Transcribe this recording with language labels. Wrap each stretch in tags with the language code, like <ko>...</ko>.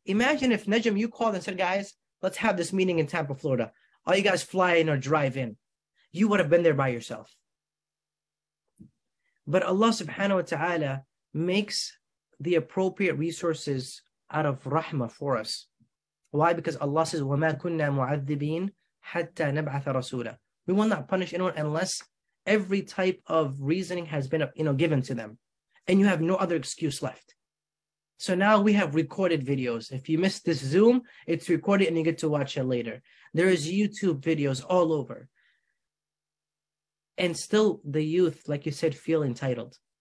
<en>Imagine if Najm, you called and said, guys, let's have this meeting in Tampa, Florida. All you guys fly in or drive in. You would have been there by yourself. But Allah subhanahu wa ta'ala makes the appropriate resources out of rahmah for us. Why? Because Allah says,</en> <ar>وَمَا كُنَّا مُعَذِّبِينَ حَتَّى نَبْعَثَ رَسُولًا.</ar> <en>We will not punish anyone unless every type of reasoning has been, you know, given to them. And you have no other excuse left. So now we have recorded videos. If you missed this Zoom, it's recorded and you get to watch it later. There is YouTube videos all over. And still the youth, like you said, feel entitled.</en>